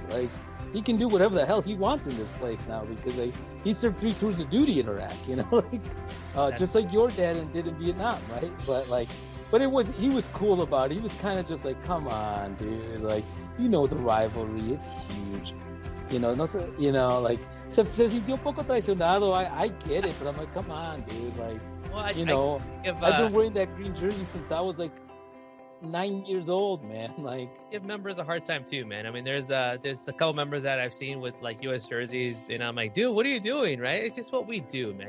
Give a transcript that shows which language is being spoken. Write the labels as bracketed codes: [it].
[en] Like, he can do whatever the hell he wants in this place now because he served 3 tours of duty in Iraq, you know? Like, just like your dad did in Vietnam, right? But, like, but it was, he was cool about it. He was kind of just like, come on, dude. Like, you know the rivalry. It's huge. You know, no, you know, like, [es] se sintió un poco traicionado. [en] I get it, but I'm like, come on, dude. Like, well, I've been wearing that green jersey since I was like 9 years old, man. Like, give members a hard time too, man. I mean, there's a couple members that I've seen with, like, U.S. jerseys, and I'm like, dude, what are you doing, right? It's just what we do, man.